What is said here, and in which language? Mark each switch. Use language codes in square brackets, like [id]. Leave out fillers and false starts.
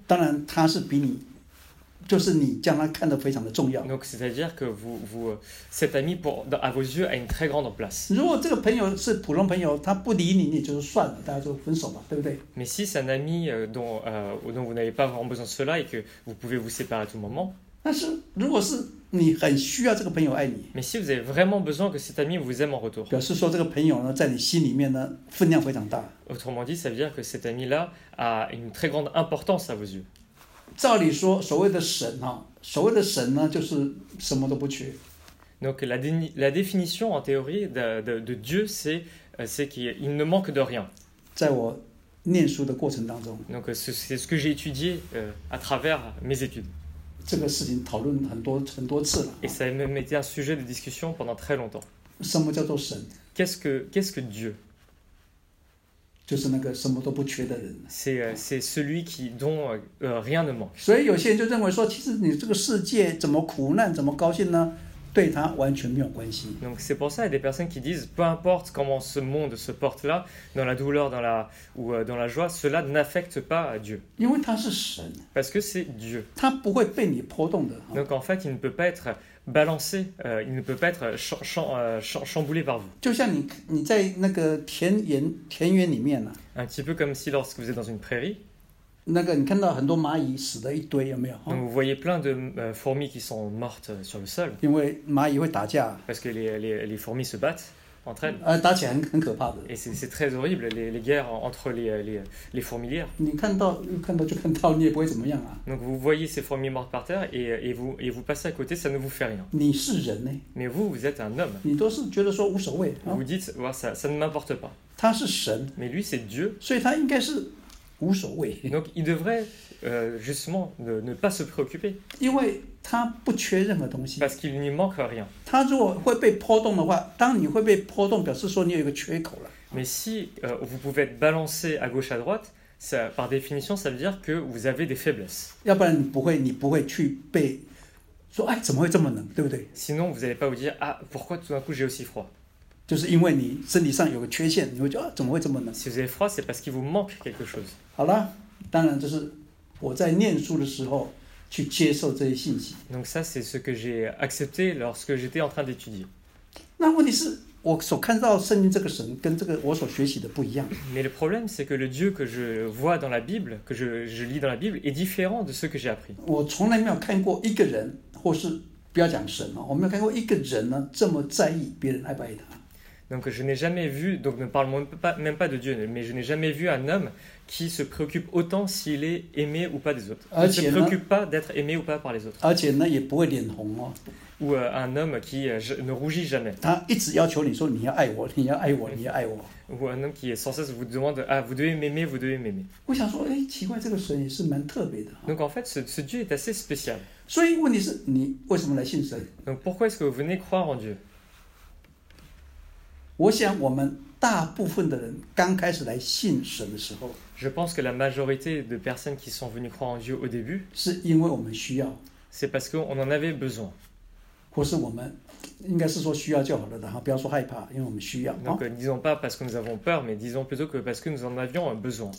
[zh] 当然他是比你，就是你将他看得非常的重要。 [fr] Donc c'est-à-dire que vous cet ami pour à vos yeux a une très grande place. [zh] 如果这个朋友是普通朋友，他不理你，你就算了，大家就分手吧，对不对 [fr] ？Mais si c'est un ami dont vous n'avez pas vraiment besoin de cela et que vous pouvez vous séparer à tout moment. [zh] 但是如果是你很需要这个朋友爱你。 [fr] Mais si vous avez vraiment besoin que cet ami vous aime en retour. [zh] 表示说这个朋友呢，在你心里面呢，分量非常大。 [fr] Autrement dit, ça veut dire que cet ami-là a une très grande importance à vos yeux. [zh] 照理说，所谓的神哈，所谓的神呢，就是什么都不缺。 [fr] Donc la définition en théorie de Dieu, c'est qu'il ne manque de rien. [zh] 在我念书的过程当中。 [fr] Donc c'est ce que j'ai étudié à travers mes études. [zh] 这个事情讨论很多很多次了。 [fr] Et ça a même été un sujet de discussion pendant très longtemps. [zh] 什么叫做神？ [fr] Qu'est-ce que Dieu? [zh] 就是那个什么都不缺的人。 [fr] C'est celui qui dont rien ne manque. [zh] 所以有些人就认为说，其实你这个世界怎么苦难怎么高兴呢？对他完全没有关系。 [fr] Donc c'est pour ça il y a des personnes qui disent peu importe comment ce monde se porte là dans la douleur dans la ou dans la joie cela n'affecte pas à Dieu. [zh] 因为他是神。 [fr] Parce que c'est Dieu. [zh] 他不会被你波动的。 [fr] Donc en fait il ne peut pas être balancé, il ne peut pas être chamboulé par vous. [zh] 就像你在那个田园里面呢。 [fr] Un petit peu comme si lorsque vous êtes dans une prairie. [zh] 那个你看到很多蚂蚁死的一堆有没有 [fr] Donc, vous voyez plein de fourmis qui sont mortes sur le sol. [zh] 因为蚂蚁会打架。 [fr] Parce que les fourmis se battent entre elles. [zh] 打起来很可怕的。 [fr] Et c'est très horrible, les guerres entre les fourmilières. [zh] 你看到就看到你也不会怎么样啊。 [fr] Donc vous voyez ces fourmis mortes par terre et vous passez à côté, ça ne vous fait rien. [zh] 你是人呢。 [fr] Mais vous êtes un homme. [zh] 你都是觉得说无所谓。 [fr] Vous dites, well, ça ne m'importe pas. [zh] 他是神。 [fr] Mais lui, c'est Dieu. [zh] 所以他应该是无所谓。 [fr] Donc il devrait justement ne pas se préoccuper. [zh] 因为他不缺任何东西。 [fr] Parce qu'il n'y manque rien. [zh] 他如果会被波动的话，当你会被波动，表示说你有一个缺口了。 [fr] Mais si vous pouvez être balancé à gauche à droite, ça, par définition, ça veut dire que vous avez des faiblesses. [zh] 要不然你不会去被说哎怎么会这么冷，对不对 [fr] ？Sinon vous n'allez pas vous dire ah pourquoi tout d'un coup j'ai aussi froid. [zh] 就是因为你身体上有个缺陷，你会觉得、啊、怎么会这么冷 [fr] ？Si vous avez froid, c'est parce qu'il vous manque quelque chose. [zh] 好了，当然就是我在念书的时候去接受这些信息。 [fr] Donc ça, c'est ce que j'ai accepté lorsque j'étais en train d'étudier. [zh] 那问题是我所看到圣经这个神跟这个我所学习的不一样。 [fr] Mais le problème, c'est que le Dieu que je vois dans la Bible, que je lis dans la Bible, est différent de ce que j'ai appris. [zh] 我从来没有看过一个人，或是不要讲神了，我没有看过一个人呢这么在意别人爱不爱他。 [fr] Donc je n'ai jamais vu, donc ne parle même pas de Dieu, mais je n'ai jamais vu un homme qui se préoccupe autant s'il est aimé ou pas des autres. Il ne se préoccupe pas d'être aimé ou pas par les autres. [zh] 而且呢，也不会脸红哦。 [fr] Ou un homme qui ne rougit jamais. [zh] 他一直要求你说你要爱我，你要爱我，你要爱我。 [fr] Ou un homme qui est sans cesse vous demande, ah, vous devez m'aimer, vous devez m'aimer. [zh] 我想说，哎，奇怪，这个神也是蛮特别的。 [fr] Donc en fait, ce Dieu est assez spécial. [zh] 所以问题是，你为什么来信神 [fr] ？Donc pourquoi est-ce que vous venez croire en Dieu？ [zh] 我想我们大部分的人刚开始来信神的时候 [fr] Je pense que la majorité de personnes qui sont venues croire en Dieu au début [zh] 是因为我们需要 [fr] C'est parce qu'on en avait besoin [zh] 或是我们应该是说需要就好了不要说害怕因为我们需要 [fr] Donc disons pas parce que nous avons peur mais disons plutôt que parce que nous en avions besoin